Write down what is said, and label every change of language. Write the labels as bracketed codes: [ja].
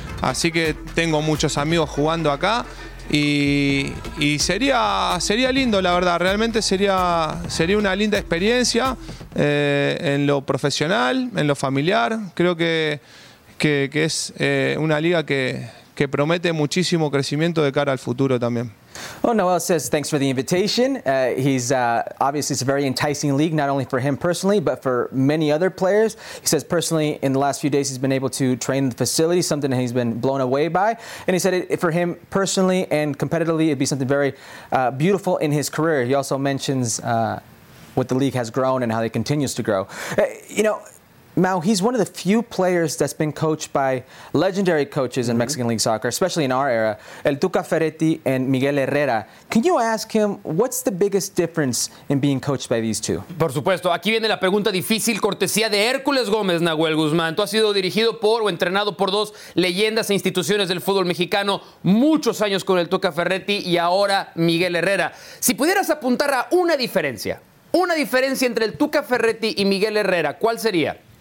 [es] Así que tengo muchos amigos jugando acá y sería lindo, la verdad, realmente sería una linda experiencia en lo profesional, en lo familiar. Creo que es una liga que promete muchísimo crecimiento de cara al futuro también. [en] Well, Noel says thanks for the invitation. He's obviously, it's a very enticing league, not only for him personally, but for many other players. He says personally, in the last few days, he's been able to train the facility, something that he's been blown away by. And he said it for him personally and competitively, it'd be something very beautiful in his career. He also mentions what the league has grown and how it continues to grow. You know, Mao, he's one of the few players that's been coached by legendary coaches in Mexican League Soccer, especially in our era, El Tuca Ferretti and Miguel Herrera. Can you ask him, what's the biggest difference in being coached by these two? [es] Por supuesto. Aquí viene la pregunta difícil, cortesía de Hércules Gómez, Nahuel Guzmán. Tú has sido dirigido por o entrenado por dos leyendas e instituciones del fútbol mexicano, muchos años con El Tuca Ferretti y ahora Miguel Herrera. Si pudieras apuntar a una diferencia... Una diferencia entre el Tuca Ferretti y Miguel Herrera, ¿cuál sería?